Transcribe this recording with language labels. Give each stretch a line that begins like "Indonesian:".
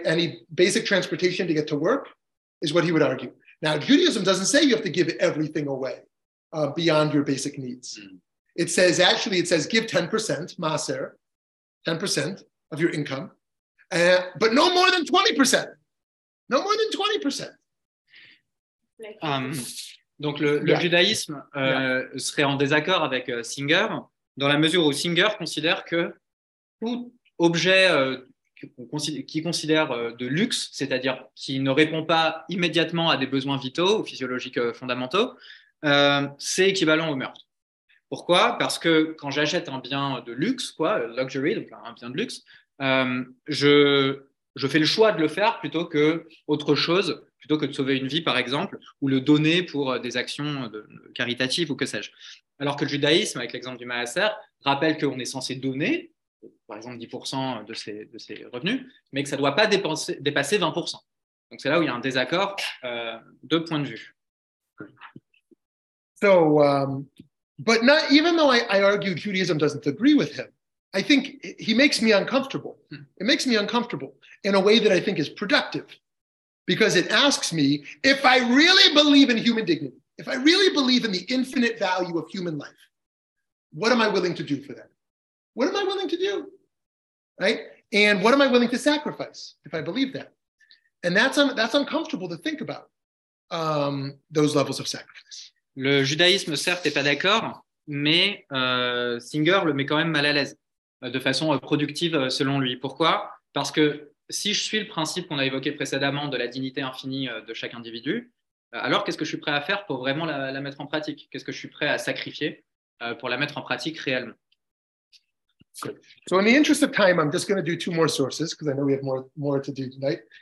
English: Any basic transportation to get to work is what he would argue. Now, Judaism doesn't say you have to give everything away beyond your basic needs. It says, actually, it says give 10%, maaser, 10% of your income, but no more than 20%. No more than 20%.
French: Donc le judaïsme serait en désaccord avec Singer, dans la mesure où Singer considère que tout objet qui considère de luxe, c'est-à-dire qui ne répond pas immédiatement à des besoins vitaux ou physiologiques fondamentaux, c'est équivalent au meurtre. Pourquoi ? Parce que quand j'achète un bien de luxe, luxury, donc un bien de luxe, je fais le choix de le faire plutôt que autre chose, plutôt que de sauver une vie, par exemple, ou le donner pour des actions caritatives ou que sais-je. Alors que le judaïsme, avec l'exemple du maaser, rappelle qu'on est censé donner, par exemple, 10% de ses revenus, mais que ça ne doit pas dépasser 20%. Donc, c'est là où il y a un désaccord de point de vue.
English: So, but not even though I argue Judaism doesn't agree with him, I think he makes me uncomfortable. It makes me uncomfortable in a way that I think is productive. Because it asks me, if I really believe in human dignity, if I really believe in the infinite value of human life, what am I willing to do for that? What am I willing to do, right? And what am I willing to sacrifice if I believe that? And that's uncomfortable to think about, those levels of sacrifice.
French: Le judaïsme, certes, n'est pas d'accord, mais Singer le met quand même mal à l'aise, de façon productive, selon lui. Pourquoi? Parce que si je suis le principe qu'on a évoqué précédemment de la dignité infinie de chaque individu, alors qu'est-ce que je suis prêt à faire pour vraiment la mettre en pratique? Qu'est-ce que je suis prêt à sacrifier pour la mettre en pratique réellement?
English: Good. So in the interest of time, I'm just going to do two more sources because I know we have more to do tonight.